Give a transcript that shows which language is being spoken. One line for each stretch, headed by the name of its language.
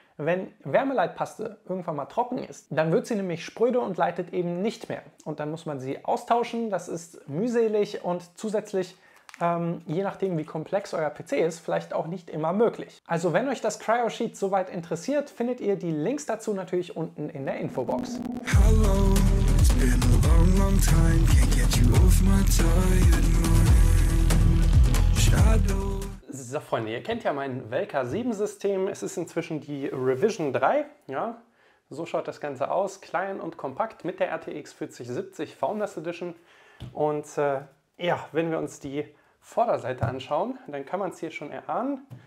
German: Wenn Wärmeleitpaste irgendwann mal trocken ist, dann wird sie nämlich spröde und leitet eben nicht mehr. Und dann muss man sie austauschen, das ist mühselig und zusätzlich, je nachdem wie komplex euer PC ist, vielleicht auch nicht immer möglich. Also wenn euch das CryoSheet soweit interessiert, findet ihr die Links dazu natürlich unten in der Infobox.
English: Hello. Been a long, long time, can't get you off my tired mind. Shadow.
German: So, Freunde, ihr kennt ja mein Velka 7 System. Es ist inzwischen die Revision 3. Ja, so schaut das Ganze aus. Klein und kompakt mit der RTX 4070 Founders Edition. Und ja, wenn wir uns die Vorderseite anschauen, dann kann man es hier schon erahnen.